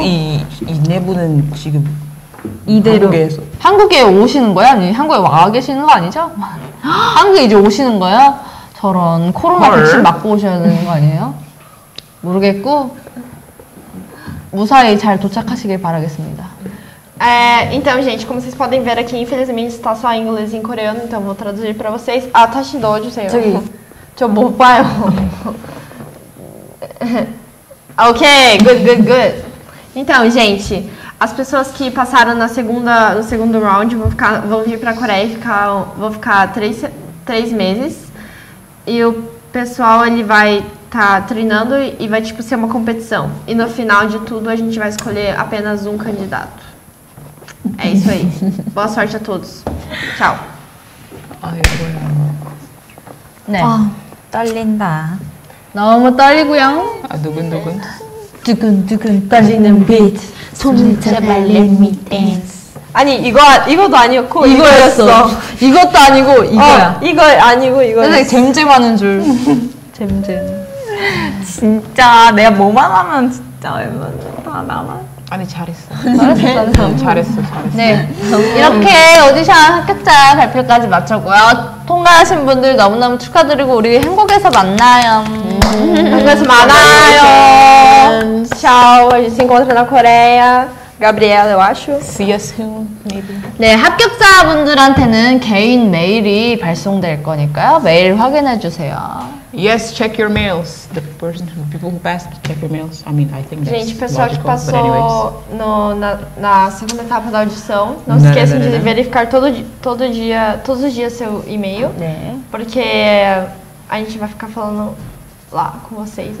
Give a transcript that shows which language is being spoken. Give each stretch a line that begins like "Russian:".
Korean: 이 네 분은 지금 이대로 한국에서. 한국에 오시는 거야? 아니 한국에 와 계시는 거 아니죠? 한국에 이제 오시는 거야? 저런 코로나 헐. 백신 맞고 오셔야 되는 거 아니에요? 모르겠고 무사히 잘 도착하시길 바라겠습니다.
Portuguese: Então, gente, como vocês podem ver aqui, infelizmente está só em inglês e em coreano, então vou traduzir para vocês.
Korean: Ah, 다시 넣어주세요. 저기, 저 못 봐요.
English: Okay, good, good, good.
Portuguese: Então, gente. As pessoas que passaram na segunda, no segundo round vão vir para a Coreia e vão ficar três meses. E o pessoal ele vai estar treinando e vai tipo, ser uma competição. E no final de tudo, a gente vai escolher apenas um candidato. É isso aí. Boa sorte a todos. Tchau. Ai, eu vou né? Oh, tô linda. Não, eu tô linda. Ah, dugun, dugun. Dugun, dugun, tô linda. Beat.
Korean: 손을 제발
English: let me dance.
Korean: 아니 이거도 아니었고 이거였어. 이것도 아니고 이거야. 이거 아니고 이거였어. 잼잼하는 줄. 잼잼. 진짜 내가 뭐만 하면 진짜 웬만 다 나와. 아니 잘했어. 잘했어. 잘했어. 잘했어. 네. 이렇게 오디션 합격자 발표까지 마쳤고요. 통과하신 분들 너무너무 축하드리고 우리 한국에서 만나요. 한국에서 만나요. 샤오,
Portuguese: a gente se encontra na Coreia. Gabriela, eu acho.
English: See you soon, maybe.
Korean: 네, 합격자분들한테는 개인 메일이 발송될 거니까요. 메일 확인해 주세요.
English: Yes, check your mails. The person who people who passed, check your mails. I mean, I think that's
Portuguese: gente, pessoal
English: logical,
Portuguese: que passou no, na segunda etapa da audição, não se esqueçam de verificar todos os dias seu e-mail. Né? Porque a gente vai ficar falando lá com vocês.